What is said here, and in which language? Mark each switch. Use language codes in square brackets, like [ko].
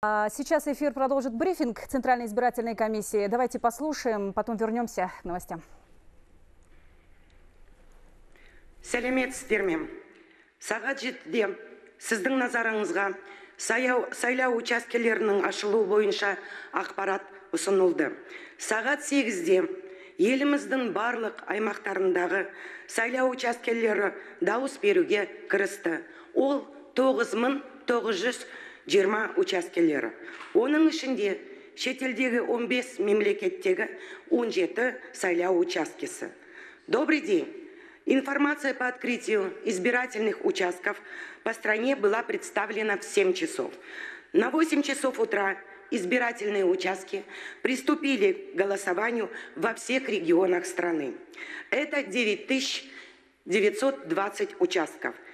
[ru] Сейчас эфир продолжит брифинг Центральной избирательной комиссии. Давайте послушаем, потом вернемся к новостям. [kk] Сәлеметсіздер ме? Сағат 7-де сіздің назарыңызға сайлау учаскелерінің ашылу бойынша ақпарат ұсынылды. Сағат 8-де еліміздің барлық аймақтарындағы сайлау учаскелері дауыс беруге кірісті. Ол 9920 учаскелері. Оның ішінде шетелдегі 15 мемлекеттегі 17 сайлау учаскесі. [ru] Добрый день! Информация по открытию избирательных участков по стране была представлена в 7 часов. На 8 часов утра избирательные участки приступили к голосованию во всех регионах страны. Это 9920 участков.